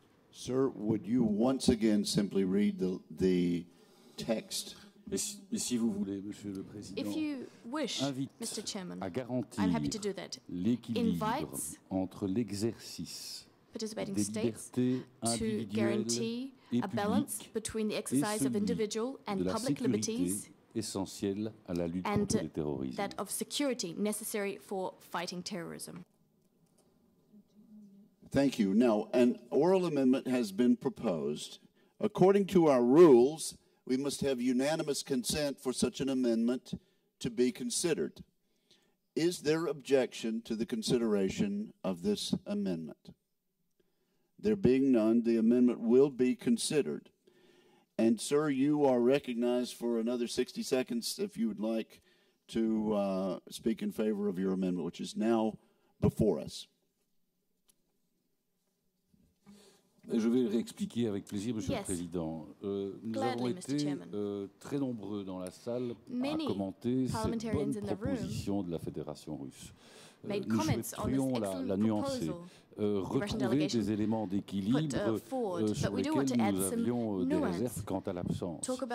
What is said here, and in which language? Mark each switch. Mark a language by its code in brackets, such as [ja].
[en] Sir, would you once again simply read the text? [fr] Mais si vous voulez, Monsieur le Président, [en] if you wish, invite Mr. Chairman, [fr] à garantir l'équilibre entre l'exercice des libertés individuelles et publiques et celui de la sécurité essentielle à la lutte contre le terrorisme. [en] That of security necessary for fighting terrorism. Thank you. Now, an oral amendment has been proposed. According to our rules, we must have unanimous consent for such an amendment to be considered. Is there objection to the consideration of this amendment? There being none, the amendment will be considered. And, sir, you are recognized for another 60 seconds if you would like to speak in favor of your amendment, which is now before us. [fr] Je vais réexpliquer avec plaisir, Monsieur le Président. Nous avons été très nombreux dans la salle à commenter cette bonne proposition de la Fédération russe. Nous souhaiterions la nuancer, retrouver des éléments d'équilibre sur lesquels nous avions des réserves quant à l'absence.